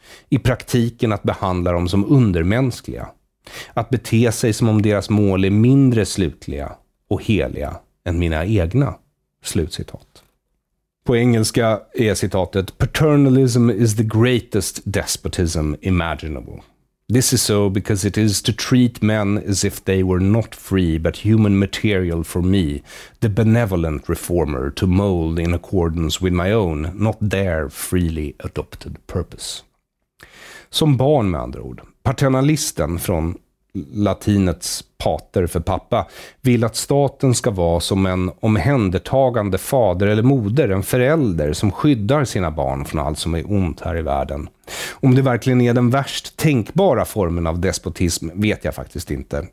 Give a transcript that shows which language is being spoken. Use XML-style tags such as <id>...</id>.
<sv>I praktiken att behandla dem som undermänskliga. Att bete sig som om deras mål är mindre slutliga och heliga än mina egna. Slutcitat. På engelska är citatet:</sv> <en>Paternalism is the greatest despotism imaginable. This is so because it is to treat men as if they were not free but human material for me, the benevolent reformer, to mold in accordance with my own, not their freely adopted purpose.</en> <sv>Som barn, med andra ord. Paternalisten, från latinets pater för pappa, vill att staten ska vara som en omhändertagande fader eller moder, en förälder som skyddar sina barn från allt som är ont här i världen. Om det verkligen är den värst tänkbara formen av despotism vet jag faktiskt inte.</sv>